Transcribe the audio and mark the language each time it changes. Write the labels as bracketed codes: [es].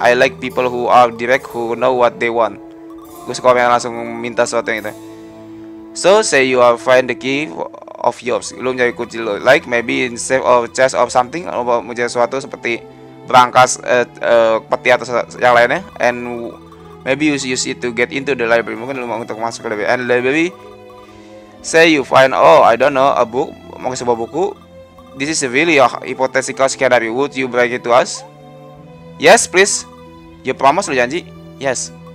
[en] I like people who are direct, who know what they want. [id] Gue suka orang yang langsung minta sesuatu yang itu. [en] So, say you are find the key of yours. [id] Lu mencari kunci lu. [en] Like maybe in safe or chest or something. [id] Lu mencari sesuatu seperti berangkas, peti atau yang lainnya. [en] And maybe you use it to get into the library. [id] Mungkin lu mau untuk masuk ke library. [en] And library, say you find, oh I don't know, a book. [id] Mungkin sebuah buku. [en] This is really a hypothetical scenario. Would you break it to us? Yes, please. You promise, [id] lu janji? [en] Yes.